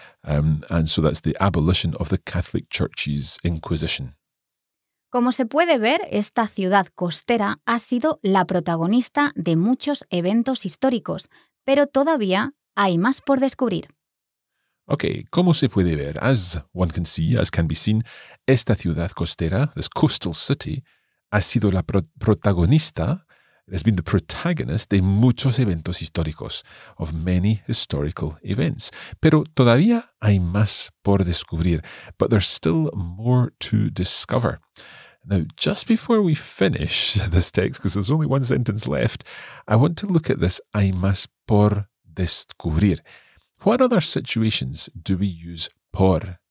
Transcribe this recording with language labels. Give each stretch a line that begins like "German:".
English: And so that's the abolition of the Catholic Church's Inquisition.
Spanish: Como se puede ver, esta ciudad costera ha sido la protagonista de muchos eventos históricos, pero todavía hay más por descubrir.
English: Okay,
Spanish: como se puede ver,
English: as one can see, as can be seen,
Spanish: esta ciudad costera,
English: this coastal city,
Spanish: ha sido la protagonista.
English: It has been the protagonist
Spanish: de muchos eventos históricos,
English: of many historical events.
Spanish: Pero todavía hay más por descubrir,
English: but there's still more to discover. Now, just before we finish this text, because there's only one sentence left, I want to look at this
Spanish: hay más por descubrir.
English: What other situations do we use por